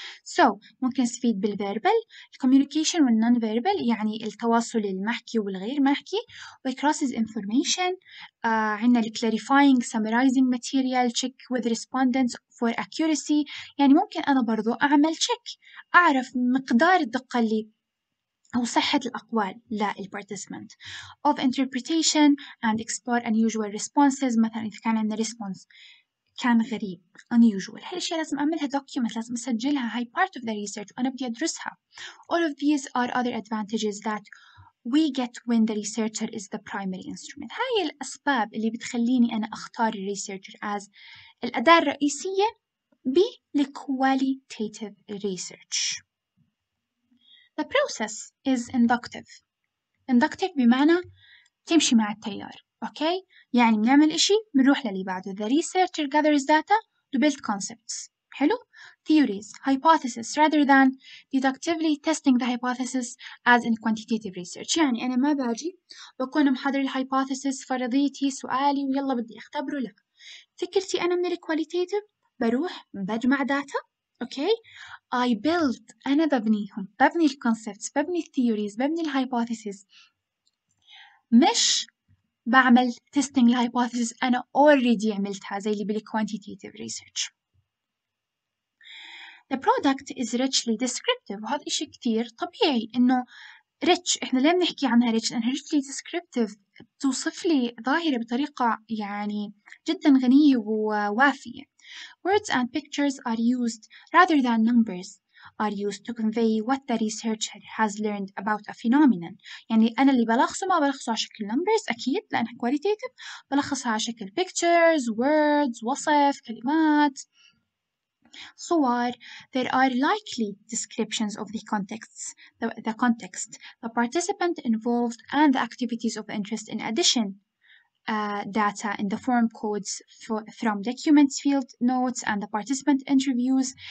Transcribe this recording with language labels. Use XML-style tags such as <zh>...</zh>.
<ar>So ممكن استفيد بالفيربل الكوميونيكيشن والنون فيربل، يعني التواصل المحكي والغير محكي، والكروسز انفورميشن، عندنا الكلاريفاينج سمرايزنج ماتيريال،</ar> <en>check with respondents for accuracy,</en> <ar>يعني ممكن أنا برضو أعمل تشيك أعرف مقدار الدقة اللي أو صحة الأقوال للبارتيسمنت.</ar> <en>Of interpretation and explore unusual responses.</en> <ar>مثلا إذا كان عندنا response كان غريب unusual، هاي الشيء لازم أعملها document، لازم أسجلها، هاي</ar> <en>part of the research</en> <ar>وأنا بدي أدرسها.</ar> <en>All of these are other advantages that we get when the researcher is the primary instrument.</en> <ar>هاي الأسباب اللي بتخليني أنا أختار researcher as الأداة الرئيسية بالqualitative research.</ar> <en>The process is inductive.</en> <ar>Inductive بمعنى تمشي مع التيار، okay؟ يعني بنعمل إشي بنروح للي بعده.</ar> <en>The researcher gathers data to build concepts.</en> <ar>حلو؟</ar> <en>Theories, hypothesis, rather than deductively testing the hypothesis as in quantitative research.</en> <ar>يعني أنا ما باجي بكون محضر الhypothesis فرضيتي سؤالي ويلا بدي أختبره، لا. فكرتي أنا من الqualitative بروح بجمع data، okay؟ I build، أنا ببنيهم، ببني الconcepts، ببني theories، ببني الhypothesis، مش بعمل testing الhypothesis أنا already عملتها زي اللي بالquantitative research.</ar> <en>The product is richly descriptive،</en> <ar>وهذا إشي كتير طبيعي إنه</ar> <en>rich.</en> <ar>إحنا ليه بنحكي عنها rich؟ لأنها richly descriptive توصف لي ظاهرة بطريقة يعني جدا غنية ووافية.</ar> <en>Words and pictures are used rather than numbers are used to convey what the researcher has learned about a phenomenon.</en> <ar>يعني أنا اللي بلخصه ما بلخصه على شكل numbers أكيد لأنها qualitative، بلخصها على شكل pictures, words, وصف، كلمات، صور.</ar> <en>There are likely descriptions of the contexts, the context, the participant involved and the activities of interest in addition. Data in the form codes from documents field notes and the participant interviews.</en>